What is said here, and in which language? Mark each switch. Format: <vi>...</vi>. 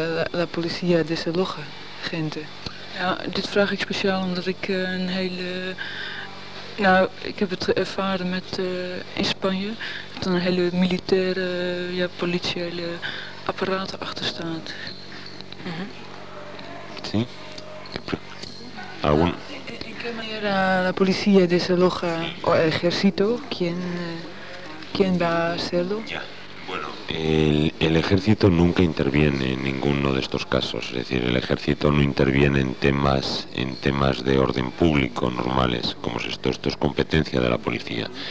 <es>la policía desaloja gente.</es> <nl>Ja, dit vraag ik speciaal omdat ik een hele... Nou, ik heb het ervaren met in Spanje. Dat een hele militaire, ja, politiële apparaat erachter staat.</nl> <es>Sí. ¿En qué manera la policía desaloja o el ejército? ¿Quién va a hacerlo? El ejército nunca interviene en ninguno de estos casos, es decir, el ejército no interviene en temas de orden público normales, como es esto, esto es competencia de la policía.</es>